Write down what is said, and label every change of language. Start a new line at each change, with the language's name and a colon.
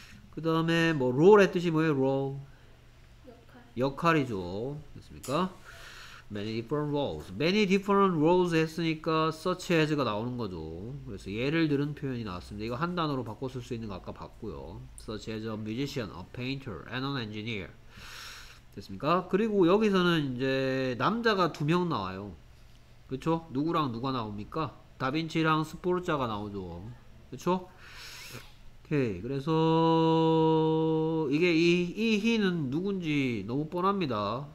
Korean: 그 다음에 뭐 role의 뜻이 뭐예요? role 역할이죠. 됐습니까?
English: many different roles. many different roles
Korean: 했으니까 such as가 나오는 거죠. 그래서 예를 들은 표현이 나왔습니다. 이거 한 단어로 바꿔 쓸 수 있는 거 아까 봤고요.
English: such as a musician, a painter, and an engineer.
Korean: 됐습니까? 그리고 여기서는 이제 남자가 두 명 나와요. 그쵸? 누구랑 누가 나옵니까? 다빈치랑 스포르자가 나오죠. 그쵸? 오케이. 그래서 이게 이 he는 누군지 너무 뻔합니다.